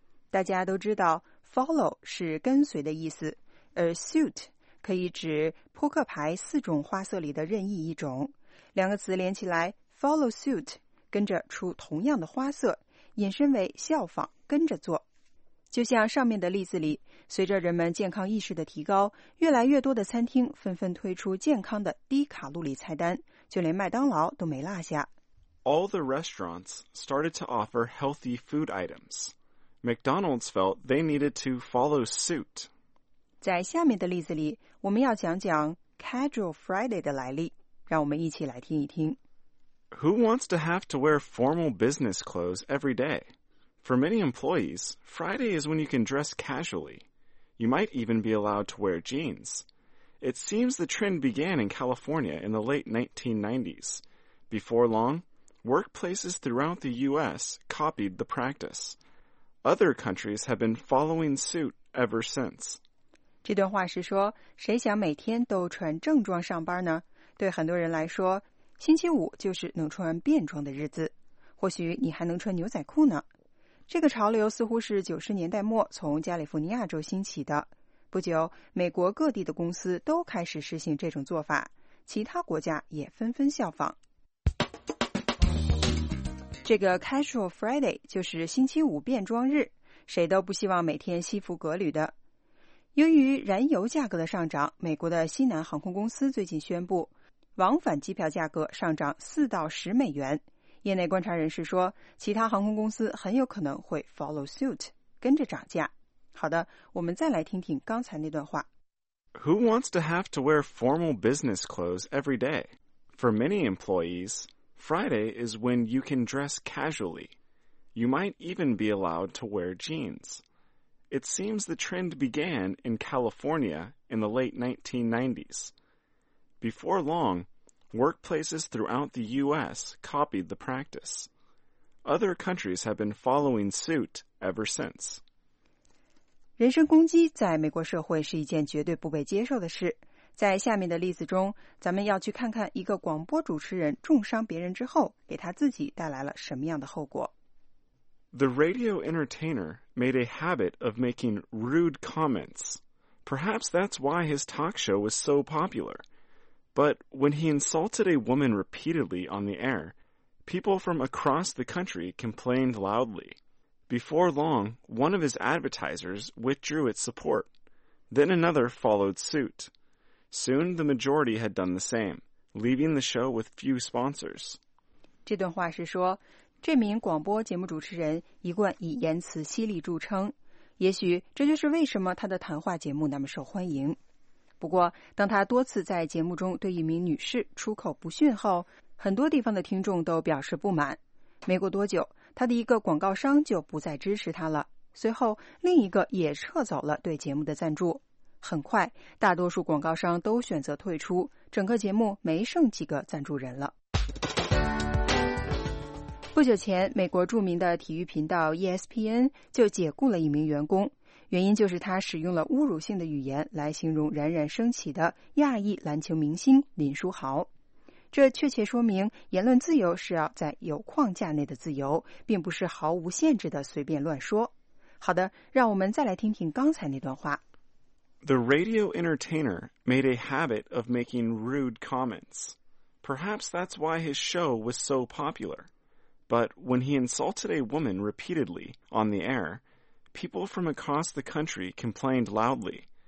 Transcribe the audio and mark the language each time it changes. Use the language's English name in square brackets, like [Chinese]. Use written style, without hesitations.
[Chinese] 大家都知道 follow 是跟随的意思，而 suit可以指扑克牌四种花色里的任意一种，两个词连起来 follow suit 跟着出同样的花色，引申为效仿跟着做。就像上面的例子里，随着人们健康意识的提高，越来越多的餐厅纷纷推出健康的低卡路里菜单，就连麦当劳都没落下。 [English] All the restaurants started to offer healthy food items. McDonald's felt they needed to follow suit. [Chinese] 在下面的例子里，我们要讲讲 Casual Friday 的来历，让我们一起来听一听。 [English] Who wants to have to wear formal business clothes every day? For many employees, Friday is when you can dress casually. You might even be allowed to wear jeans. It seems the trend began in California in the late 1990s. Before long, workplaces throughout the U.S. copied the practice. Other countries have been following suit ever since. [Chinese] 这段话是说，谁想每天都穿正装上班呢？对很多人来说，星期五就是能穿便装的日子，或许你还能穿牛仔裤呢。这个潮流似乎是90年代末从加利福尼亚州兴起的。不久，美国各地的公司都开始实行这种做法，其他国家也纷纷效仿。这个 Casual Friday 就是星期五便装日，谁都不希望每天西服革履的。由于燃油价格的上涨，美国的西南航空公司最近宣布，往返机票价格上涨4到10美元。业内观察人士说，其他航空公司很有可能会 follow suit, 跟着涨价。好的，我们再来听听刚才那段话。 [English] Who wants to have to wear formal business clothes every day? For many employees, Friday is when you can dress casually. You might even be allowed to wear jeans. It seems the trend began in California in the late 1990s. Before long, workplaces throughout the U.S. copied the practice. Other countries have been following suit ever since. [Chinese] 人身攻击在美国社会是一件绝对不被接受的事。在下面的例子中，咱们要去看看一个广播主持人重伤别人之后，给他自己带来了什么样的后果。 [English] The radio entertainer made a habit of making rude comments. Perhaps that's why his talk show was so popular. But when he insulted a woman repeatedly on the air, people from across the country complained loudly. Before long, one of his advertisers withdrew its support. Then another followed suit. Soon the majority had done the same, leaving the show with few sponsors. [Chinese] 这段话是说，这名广播节目主持人一贯以言辞犀利著称，也许这就是为什么他的谈话节目那么受欢迎。不过，当他多次在节目中对一名女士出口不逊后，很多地方的听众都表示不满。没过多久，他的一个广告商就不再支持他了，随后另一个也撤走了对节目的赞助。很快，大多数广告商都选择退出，整个节目没剩几个赞助人了。不久前，美国著名的体育频道 ESPN 就解雇了一名员工，原因就是他使用了侮辱性的语言来形容冉冉升起的亚裔篮球明星林书豪。这确切说明，言论自由是要在有框架内的自由，并不是毫无限制的随便乱说。好的，让我们再来听听刚才那段话。 [English] The radio entertainer made a habit of making rude comments. Perhaps that's why his show was so popular. But when he insulted a woman repeatedly on the air, people from across the country complained loudly.